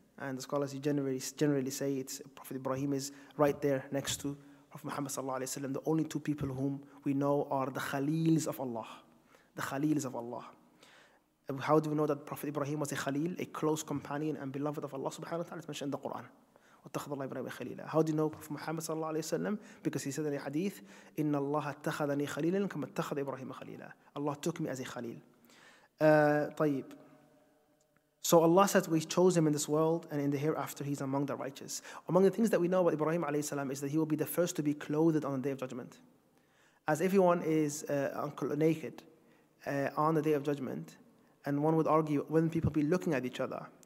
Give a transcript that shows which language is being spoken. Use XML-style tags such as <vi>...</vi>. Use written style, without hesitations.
<en>And the scholars generally say it's Prophet Ibrahim is right there next to Prophet Muhammad ﷺ, the only two people whom we know are the Khalils of Allah. The Khalils of Allah. How do we know that Prophet Ibrahim was a Khalil, a close companion and beloved of Allah subhanahu wa ta'ala? It's mentioned in the Quran.</en> <ar>وَاتَّخَذَ اللَّهِ إِبْرَاهِيمَ خَلِيلًا.</ar> <en>How do you know Prophet Muhammad</en> <ar>صلى الله عليه وسلم?</ar> <en>Because he said in a hadith,</en> <ar>إِنَّ اللَّهَ اتَّخَذَنِي خَلِيلًا كَمَا اتَّخَذَ إِبْرَاهِيمَ خَلِيلًا.</ar> <en>Allah took me as a Khalil.</en> <ar>طيب.</ar> <en>So Allah says we chose him in this world and in the hereafter he's among the righteous. Among the things that we know about Ibrahim</en> <ar>عليه السلام</ar> <en>is that he will be the first to be clothed on the Day of Judgment. As everyone is naked on the Day of Judgment, and one would argue, wouldn't people be looking at each other?</en>